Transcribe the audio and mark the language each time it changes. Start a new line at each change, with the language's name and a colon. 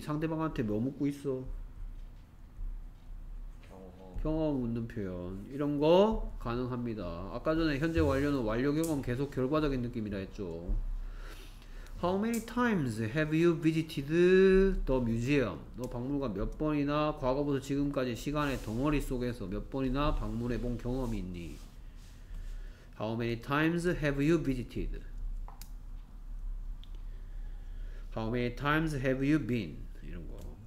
Korean: 상대방한테 뭐 묻고 있어? 경험 묻는 표현 이런 거 가능합니다. 아까 전에 현재 완료는 완료 경험 계속 결과적인 느낌이라 했죠.
English: How many times have you visited the museum?
Korean: 너 박물관 몇 번이나 과거부터 지금까지 시간의 덩어리 속에서 몇 번이나 방문해 본 경험이 있니?
English: How many times have you visited? How many times have you been?
Korean: 이런 거.